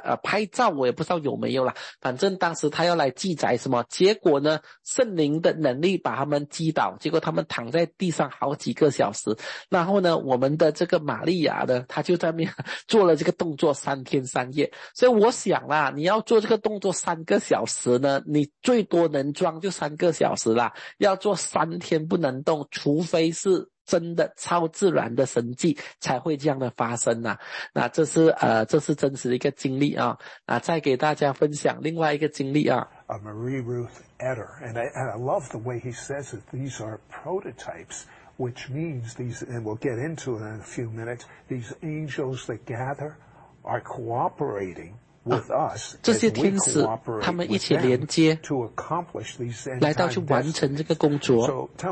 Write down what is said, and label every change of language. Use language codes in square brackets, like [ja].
[zh] 拍照，我也不知道有没有啦，反正当时他要来记载什么，结果呢，圣灵的能力把他们击倒，结果他们躺在地上好几个小时，然后呢，我们的这个玛利亚呢，他就在那边做了这个动作三天三夜，所以我想啦，你要做这个动作三个小时呢，你最多能装就三个小时啦，要做三天不能动，除非是真的超自然的神迹才会这样的发生啊。那这是真实的一个经历啊。那再给大家分享另外一个经历啊。 [en] A Marie Ruth Etter, and I love the way he says that these are prototypes, which means these, and we'll get into it in a few minutes, these angels that gather are cooperating. With us, [zh] 这些天使他们一起连接来到去完成这个工作。